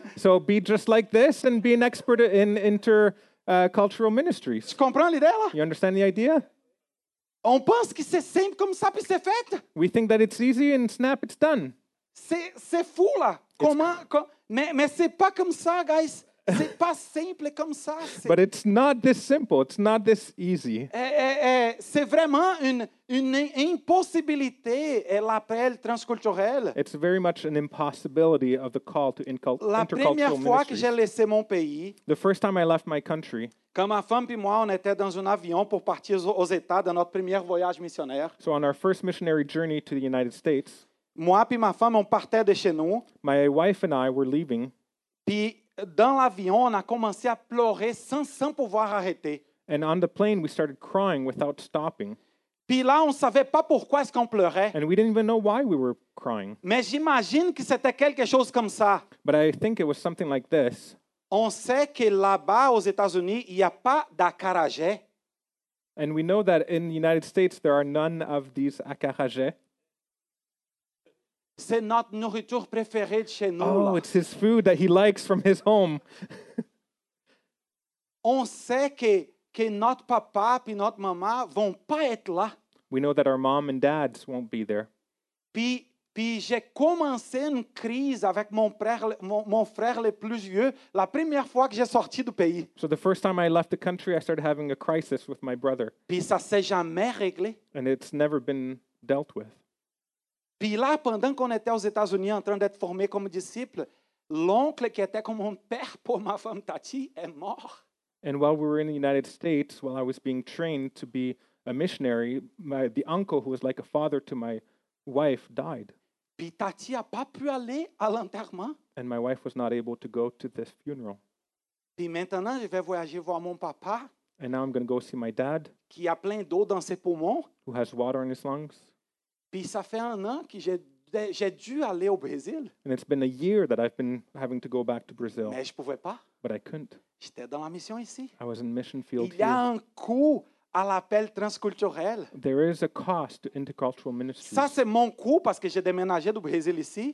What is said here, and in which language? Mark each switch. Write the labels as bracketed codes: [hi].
[en] So be just like this and be an expert in intercultural ministries. [fr] Tu comprends l'idée là? [en] You understand the idea? [fr] On pense que c'est simple comme ça puis c'est fait. [en] We think that it's easy and snap, it's done. [fr] C'est fou là. Mais c'est pas comme ça, guys. C'est pas simple comme ça. [en] But it's not this simple. It's not this easy. [fr] C'est vraiment une impossibilité et l'appel transculturel. [en] It's very much an impossibility of the call to intercultural ministry. [fr] La première fois que j'ai laissé mon pays. [en] The first time I left my country. [fr] Quand ma femme et moi, on était dans un avion pour partir aux États dans notre premier voyage missionnaire. [en] So on our first missionary journey to the United States. [fr] Moi et ma femme, on partait de chez nous. [en] My wife and I were leaving. [fr] Puis dans l'avion, on a commencé à pleurer sans pouvoir arrêter. [en] And on the plane, we started crying without stopping. [fr] Puis là, on savait pas pourquoi est-ce qu'on pleurait. [en] And we didn't even know why we were crying. [fr] Mais j'imagine que c'était quelque chose comme ça. [en] But I think it was something like this. [fr] On sait que là-bas, aux États-Unis, il y a pas d'acarajé. [en] And we know that in the United States, there are none of these acarajé. [fr] C'est notre nourriture préférée de chez nous. [en] Oh, it's his food that he likes from his home. [fr] On sait que notre papa et notre maman vont pas être là. [en] We know that our mom and dads won't be there. [fr] Puis j'ai commencé une crise avec mon frère le plus vieux la première fois que j'ai sorti du pays. [en] So the first time I left the country, I started having a crisis with my brother. [fr] Puis ça s'est jamais réglé. [en] And it's never been dealt with. [fr] Puis là, pendant qu'on était aux États-Unis en train d'être formé comme disciple, l'oncle qui était comme un père pour ma femme Tati est mort. [en] And while we were in the United States, while I was being trained to be a missionary, the uncle who was like a father to my wife died. [fr] Puis Tati a pas pu aller à l'enterrement. [en] And my wife was not able to go to this funeral. [fr] Puis maintenant, je vais voyager voir mon papa. [en] And now I'm going to go see my dad. [fr] Qui a plein d'eau dans ses poumons. [en] Who has water in his lungs. [fr] Puis ça fait un an que j'ai dû aller au Brésil. [en] And it's been a year that I've been having to go back to Brazil. [fr] Mais je pouvais pas. [en] But I couldn't. [fr] J'étais dans la mission ici. [en] I was in mission field here. [fr] Il y a un coût à l'appel transculturel. [en] There is a cost to intercultural ministry. [fr] Ça c'est mon coût parce que j'ai déménagé du Brésil ici.